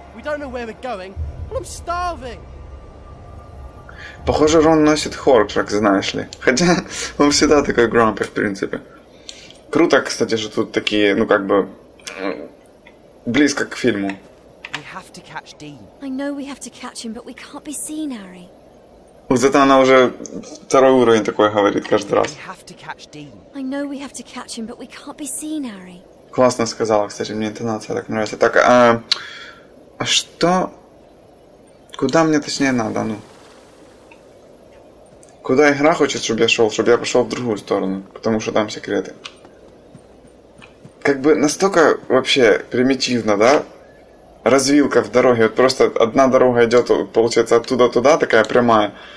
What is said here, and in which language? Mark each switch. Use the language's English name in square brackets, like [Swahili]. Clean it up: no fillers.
[English] We don't know where we're going. And I'm starving. [Russian] Похоже, Рон носит хоркрак, знаешь ли. Хотя, он всегда такой грампи, в принципе. Круто, кстати, что тут такие, ну как бы, близко к фильму. [English] We have to catch Dean. I know we have to catch him, but we can't be seen, Harry. [Russian] Вот это она уже второй уровень такой говорит каждый раз. [English] I know we have to catch him, but we can't be seen, Harry. [Russian] Классно сказала, кстати, мне интонация так нравится. Так, а что? Куда мне точнее надо, ну? Куда игра хочет, чтобы я шел? Чтобы я пошел в другую сторону, потому что там секреты. Как бы настолько вообще примитивно, да? Развилка в дороге, вот просто одна дорога идет, получается, оттуда туда, такая прямая.